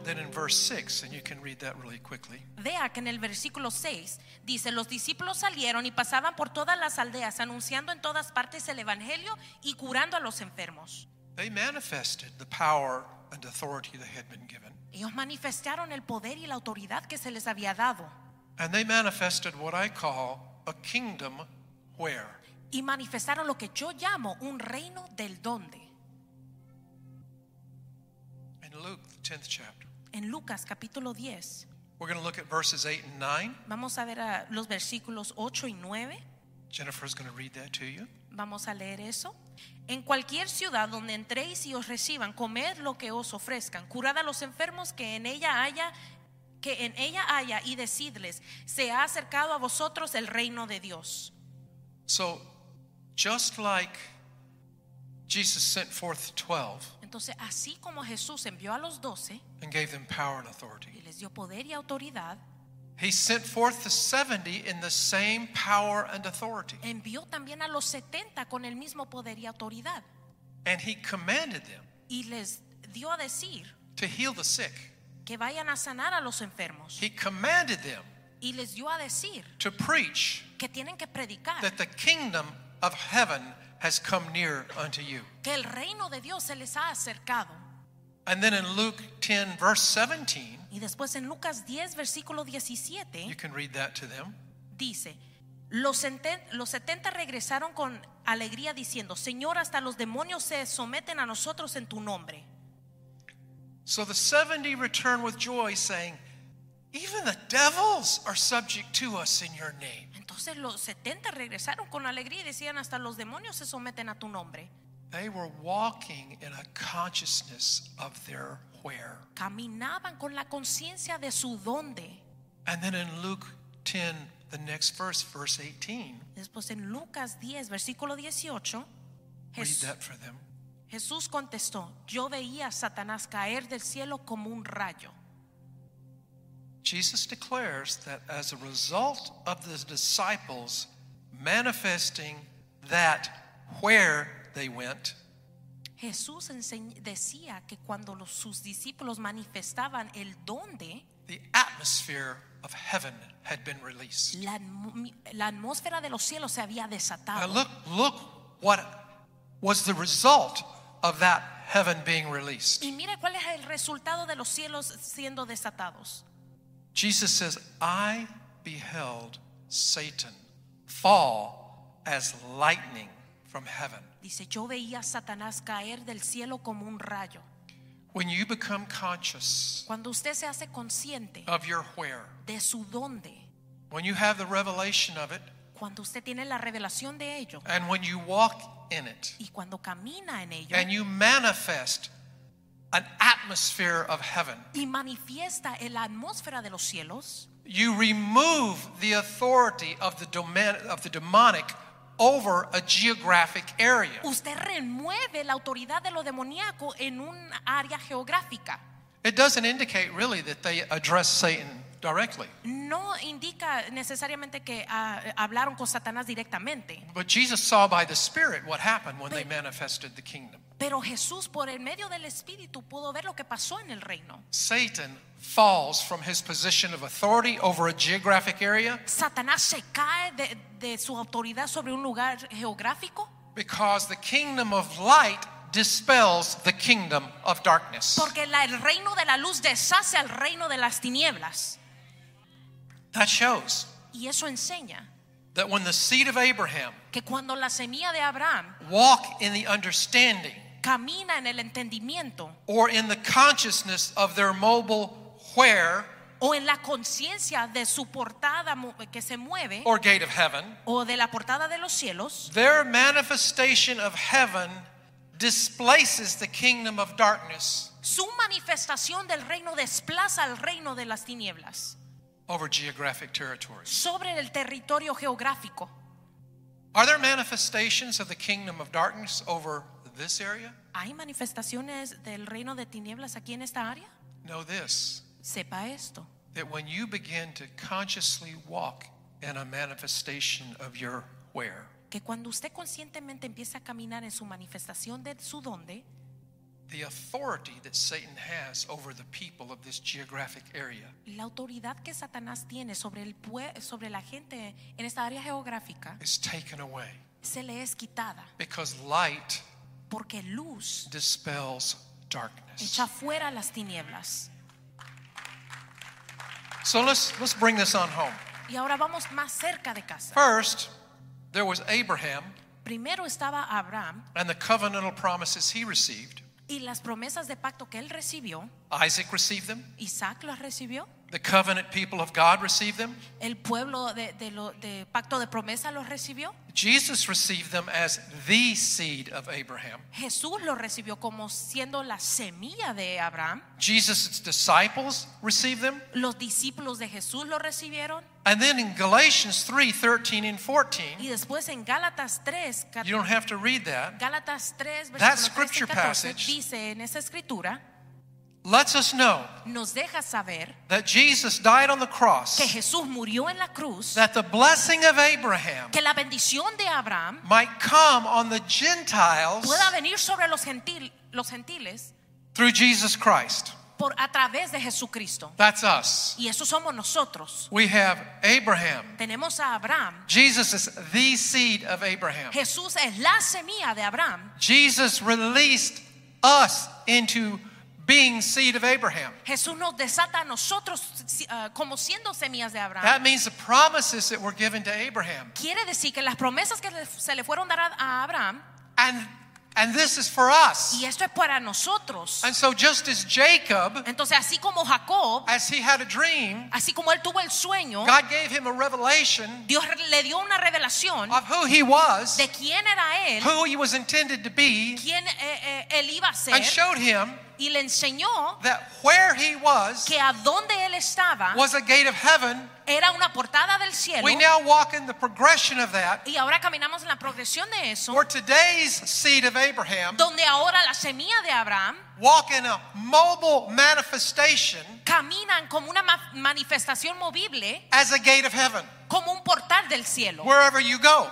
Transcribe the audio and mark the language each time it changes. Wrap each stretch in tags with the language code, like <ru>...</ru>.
<en>verse 6, and you can read that really quickly.</en> <es>Vea que en el versículo 6 dice, los discípulos salieron y pasaban por todas las aldeas anunciando en todas partes el evangelio y curando a los enfermos.</es> <en>They manifested the power and authority that had been given.</en> <es>Ellos manifestaron el poder y la autoridad que se les había dado.</es> <en>And they manifested what I call a kingdom where.</en> <es>Y manifestaron lo que yo llamo un reino del donde.</es> <en>In Luke, the 10th chapter.</en> <es>En Lucas, capítulo 10.</es> <en>We're going to look at verses 8 and 9.</en> <es>Vamos a ver a los versículos 8 y 9.</es> <en>Jennifer is going to read that to you.</en> <es>Vamos a leer eso. En cualquier ciudad donde entréis y os reciban, comed lo que os ofrezcan, curad a los enfermos que en ella haya y decidles, se ha acercado a vosotros el reino de Dios.</es> <en>So, just like Jesus sent forth 12,</en> <es>entonces así como Jesús envió a los 12,</es> <en>and gave them power and authority,</en> <es>y les dio poder y autoridad,</es> <en>he sent forth the 70 in the same power and authority.</en> <es>Envió también a los 70 con el mismo poder y autoridad.</es> <en>And he commanded them,</en> <es>y les dio a decir,</es> <en>to heal the sick,</en> <es>que vayan a sanar a los enfermos.</es> <en>He commanded them,</en> <es>y les dio a decir,</es> <en>to preach,</en> <es>que tienen que predicar,</es> <en>that the kingdom of heaven has come near unto you.</en> <es>Que el reino de Dios se les ha acercado.</es> <en>And then in Luke 10, verse 17,</en> <es>y después en Lucas 10, versículo 17,</es> <en>you can read that to them.</en> <es>Dice, los 70 regresaron con alegría diciendo, Señor, hasta los demonios se someten a nosotros en tu nombre.</es> <en>So the 70 return with joy saying, even the devils are subject to us in your name.</en> <es>Entonces los 70 regresaron con alegría y decían, hasta los demonios se someten a tu nombre.</es> <en>They were walking in a consciousness of their where.</en> <es>Caminaban con la conciencia de su dónde.</es> <en>And then in Luke 10, the next verse, verse 18.</en> <es>Después en Lucas 10, versículo 18.</es> <en>Read that for them.</en> <es>Jesús contestó, yo veía a Satanás caer del cielo como un rayo.</es> <en>Jesus declares that as a result of the disciples manifesting that where they went,</en> <es>Jesús decía que cuando sus discípulos manifestaban el dónde,</es> <en>the atmosphere of heaven had been released.</en> <es>La atmósfera de los cielos se había desatado.</es> <en>Now look what was the result of that heaven being released.</en> <es>Y mira cuál es el resultado de los cielos siendo desatados.</es> <en>Jesus says, I beheld Satan fall as lightning from heaven.</en> <es>Dice, yo veía a Satanás caer del cielo como un rayo.</es> <en>When you become conscious,</en> <es>cuando usted se hace consciente,</es> <en>of your where,</en> <es>de su dónde,</es> <en>when you have the revelation of it,</en> <es>cuando usted tiene la revelación de ello,</es> <en>and when you walk in it,</en> <es>y cuando camina en ello,</es> <en>and you manifest an atmosphere of heaven,</en> <es>y manifiesta en la atmósfera de los cielos,</es> <en>you remove the authority of the demonic over a geographic area.</en> <es>Usted remueve la autoridad de lo demoníaco en un área geográfica.</es> <en>It doesn't indicate really that they address Satan directly.</en> <es>No indica necesariamente que hablaron con Satanás directamente.</es> <en>But Jesus saw by the Spirit what happened when they manifested the kingdom.</en> <es>Pero Jesús por el medio del Espíritu pudo ver lo que pasó en el reino.</es> <en>Satan falls from his position of authority over a geographic area.</en> <es>Satanás se cae de su autoridad sobre un lugar geográfico.</es> <en>Because the kingdom of light dispels the kingdom of darkness.</en> <es>Porque el reino de la luz deshace al reino de las tinieblas.</es> <en>That shows.</en> <es>Y eso enseña.</es> <en>That when the seed of Abraham,</en> <es>que cuando la semilla de Abraham,</es> <en>walk in the understanding,</en> <es>camina en el entendimiento,</es> <en>or in the consciousness of their mobile where,</en> <es>o en la conciencia de su portada que se mueve,</es> <en>or gate of heaven,</en> <es>o de la portada de los cielos,</es> <en>their manifestation of heaven displaces the kingdom of darkness.</en> <es>Su manifestación del reino desplaza al reino de las tinieblas.</es> <en>Over geographic territories.</en> <es>Sobre el territorio geográfico.</es> <en>Are there manifestations of the kingdom of darkness over this area?</en> <es>¿Hay manifestaciones del reino de tinieblas aquí en esta área?</es> <en>Know this.</en> <es>Sepa esto.</es> <en>That when you begin to consciously walk in a manifestation of your where,</en> <es>que cuando usted conscientemente empieza a caminar en su manifestación de su dónde,</es> <en>the authority that Satan has over the people of this geographic area.</en> <es>La autoridad que Satanás tiene sobre el sobre la gente en esta área geográfica</es> <en>is taken away.</en> <es>Se le es quitada.</es> <en>Because light,</en> <es>porque luz,</es> <en>dispels darkness.</en> <es>Echa fuera las tinieblas.</es> <en>So let's bring this on home.</en> <es>Y ahora vamos más cerca de casa.</es> <en>First, there was Abraham.</en> <es>Primero estaba Abraham.</es> <en>And the covenantal promises he received.</en> <es>Y las promesas de pacto que él recibió.</es> <en>Isaac received them.</en> <es>Isaac las recibió.</es> <en>The covenant people of God received them.</en> <es>El pueblo de pacto de promesa los recibió.</es> <en>Jesus received them as the seed of Abraham.</en> <es>Jesús lo recibió como siendo la semilla de Abraham.</es> <en>Jesus' disciples received them.</en> <es>Los discípulos de Jesús lo recibieron.</es> <en>And then in Galatians 3:13 and 14.</en> <es>Y después en Gálatas 3.</es> <en>You don't have to read that.</en> <es>Gálatas 3.</es> <en>That scripture passage</en> <es>dice en esa escritura.</es> <en>Let us know</en> <es>nos deja saber</es> <en>that Jesus died on the cross,</en> <es>que Jesús murió en la cruz,</es> <en>that the blessing of Abraham,</en> <es>que la bendición de Abraham</es> <en>might come on the Gentiles,</en> <es>pueda venir sobre los gentiles</es> <en>through Jesus Christ.</en> <es>Por, a través de Jesucristo.</es> <en>That's us.</en> <es>Y eso somos nosotros.</es> <en>We have Abraham.</en> <es>Tenemos a Abraham.</es> <en>Jesus is the seed of Abraham.</en> <es>Jesús es la semilla de Abraham.</es> <en>Jesus released us into being seed of Abraham.</en> <es>Jesús nos desata a nosotros como siendo semillas de Abraham.</es> <en>That means the promises that were given to Abraham.</en> <es>Quiere decir que las promesas que se le fueron dadas a Abraham.</es> <en>And this is for us.</en> <es>Y esto es para nosotros.</es> <en>And so just as Jacob,</en> <es>entonces así como Jacob,</es> <en>as he had a dream,</en> <es>así como él tuvo el sueño,</es> <en>God gave him a revelation.</en> <es>Dios le dio una revelación</es> <en>of who he was,</en> <es>de quién era él,</es> <en>who he was intended to be,</en> <es>quién él iba a ser,</es> <en>and showed him.</en> <es>Y le enseñó</es> <en>that where he was,</en> <es>que a donde él estaba,</es> <en>was a gate of heaven,</en> <es>era una portada del cielo.</es> <en>We now walk in the progression of that,</en> <es>y ahora caminamos en la progresión de eso,</es> <en>where today's seed of Abraham,</en> <es>donde ahora la semilla de Abraham,</es> <en>walk in a mobile manifestation,</en> <es>caminan como una manifestación movible,</es> <en>as a gate of heaven,</en> <es>como un portal del cielo,</es> <en>wherever you go,</en>